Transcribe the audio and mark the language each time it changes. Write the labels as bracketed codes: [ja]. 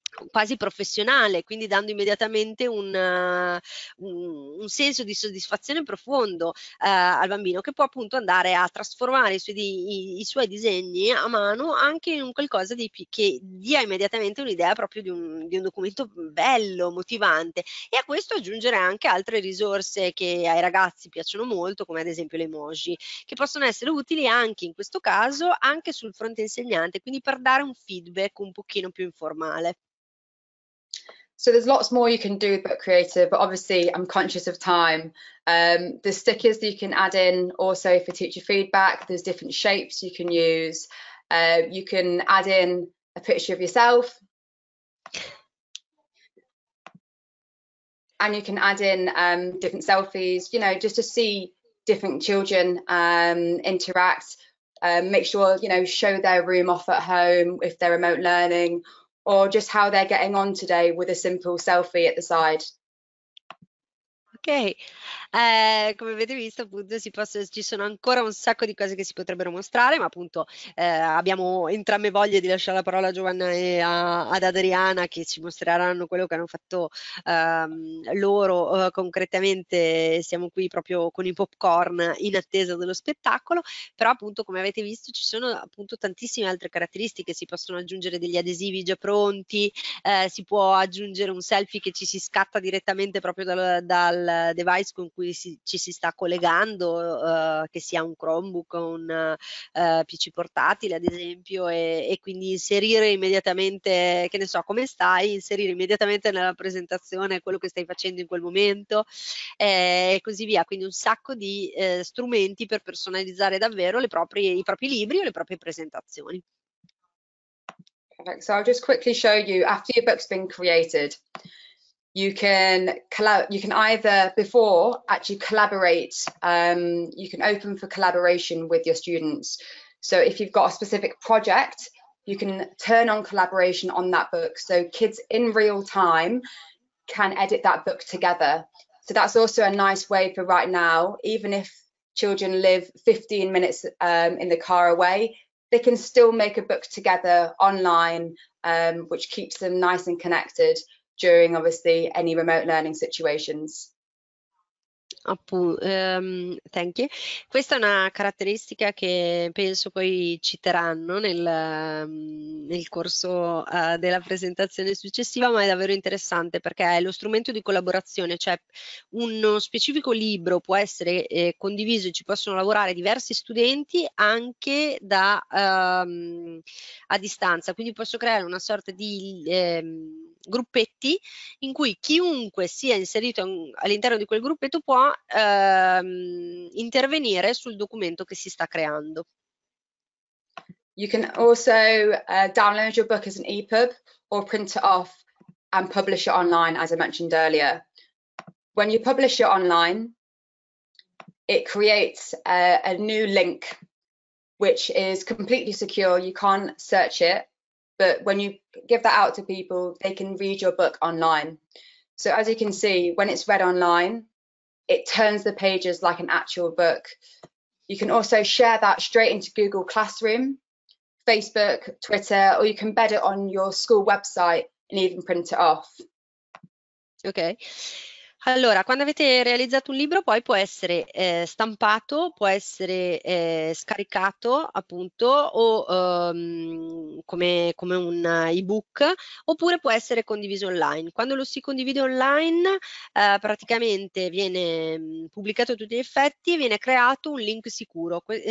[it] quasi professionale, quindi dando immediatamente un senso di soddisfazione profondo al bambino, che può appunto andare a trasformare i suoi disegni a mano anche in qualcosa che dia immediatamente un'idea proprio di un documento bello, motivante, e a questo aggiungere anche altre risorse che ai ragazzi piacciono molto, come ad esempio le emoji, che possono essere utili anche in questo caso anche sul fronte insegnante, quindi per dare un feedback un pochino più informale. [en] So there's lots more you can do with Book Creator, but obviously I'm conscious of time. The stickers that you can add in also for teacher feedback, there's different shapes you can use. You can add in a picture of yourself. And you can add in different selfies, you know, just to see different children interact, make sure, you know, show their room off at home if they're remote learning, or just how they're getting on today with a simple selfie at the side. [it] Ok, come avete visto, appunto, ci sono ancora un sacco di cose che si potrebbero mostrare, ma appunto abbiamo entrambe voglia di lasciare la parola a Giovanna e ad Adriana, che ci mostreranno quello che hanno fatto loro concretamente. Siamo qui proprio con i popcorn in attesa dello spettacolo, però appunto, come avete visto, ci sono appunto tantissime altre caratteristiche. Si possono aggiungere degli adesivi già pronti, si può aggiungere un selfie che ci si scatta direttamente proprio dal device con cui ci si sta collegando, che sia un Chromebook o un PC portatile, ad esempio, e quindi inserire immediatamente, che ne so, come stai, inserire immediatamente nella presentazione quello che stai facendo in quel momento, e così via. Quindi un sacco di strumenti per personalizzare davvero i propri libri o le proprie presentazioni. [en] Perfect. So I'll just quickly show you after your book's been created, you can either before actually collaborate, you can open for collaboration with your students. So if you've got a specific project, you can turn on collaboration on that book. So kids in real time can edit that book together. So that's also a nice way for right now, even if children live 15 minutes in the car away, they can still make a book together online, which keeps them nice and connected during obviously any remote learning situations. Thank you. [it] Questa è una caratteristica che penso poi citeranno nel corso della presentazione successiva, ma è davvero interessante perché è lo strumento di collaborazione, cioè uno specifico libro può essere condiviso e ci possono lavorare diversi studenti anche a distanza. Quindi posso creare una sorta di gruppetti in cui chiunque sia inserito all'interno di quel gruppetto può intervenire sul documento che si sta creando. [en] You can also download your book as an EPUB or print it off and publish it online, as I mentioned earlier. When you publish it online, it creates a new link, which is completely secure. You can't search it, but when you give that out to people, they can read your book online. So as you can see, when it's read online, it turns the pages like an actual book. You can also share that straight into Google Classroom, Facebook, Twitter, or you can embed it on your school website and even print it off. [it] Ok, allora quando avete realizzato un libro poi può essere stampato, può essere scaricato appunto o come un ebook oppure può essere condiviso online. Quando lo si condivide online praticamente viene pubblicato a tutti gli effetti e viene creato un link sicuro.